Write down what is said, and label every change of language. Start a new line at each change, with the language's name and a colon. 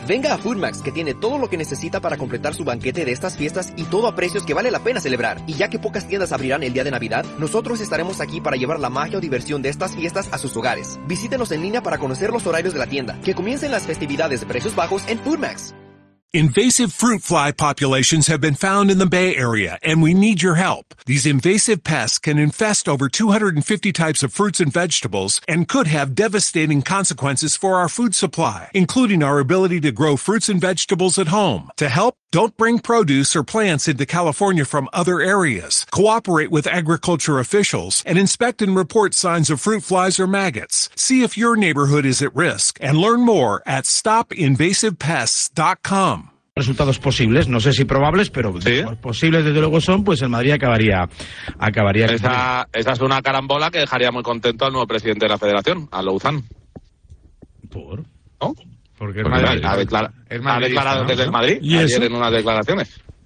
Spanish: Venga a Food Max, que tiene todo lo que necesita para completar su banquete de estas fiestas y todo a precios que vale la pena celebrar. Y ya que pocas tiendas abrirán el día de Navidad, nosotros estaremos aquí para llevar la magia o diversión de estas fiestas a sus hogares. Visítenos en línea para conocer los horarios de la tienda, que comiencen las festividades de precios bajos en Food Max.
English: Invasive fruit fly populations have been found in the Bay Area, and we need your help. These invasive pests can infest over 250 types of fruits and vegetables and could have devastating consequences for our food supply, including our ability to grow fruits and vegetables at home. To help, don't bring produce or plants into California from other areas. Cooperate with agriculture officials and inspect and report signs of fruit flies or maggots. See if your neighborhood is at risk and learn more at stopinvasivepests.com.
Spanish: Resultados posibles, no sé si probables, pero ¿sí?, posibles desde luego son, pues el Madrid acabaría. Esa es una carambola que dejaría muy contento al nuevo presidente de la federación, a Louzán. ¿Por? ¿No? Porque el Madrid ha declarado, ¿no?, desde el Madrid, ¿y ayer en unas declaraciones?